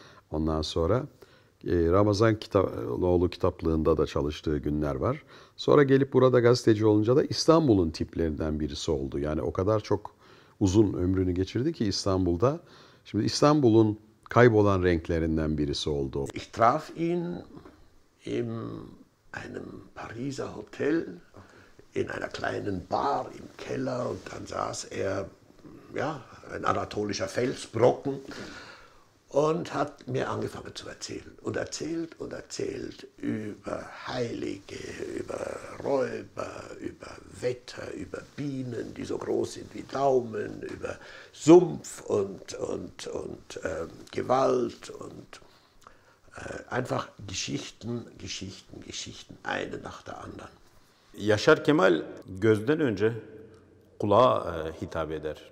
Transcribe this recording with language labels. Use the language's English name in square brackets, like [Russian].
[Turkish] Ondan sonra Ramazan Kitaloğlu kitaplığında da çalıştığı günler var. Sonra gelip burada gazeteci olunca da İstanbul'un tiplerinden birisi oldu. Yani o kadar çok uzun ömrünü geçirdi ki İstanbul'da. Şimdi İstanbul'un kaybolan renklerinden birisi oldu. [German] Ich traf ihn in einem Pariser Hotel, in einer kleinen Bar im Keller. Und dann saß er, ja, ein anatolischer Felsbrocken, und hat mir angefangen zu erzählen. Und erzählt über Heilige, über Räuber, über Wetter, über Bienen, die so groß sind wie Daumen, über Sumpf und Gewalt und einfach Geschichten, eine nach der anderen. [Turkish] Yaşar Kemal gözden önce kulağa hitap eder.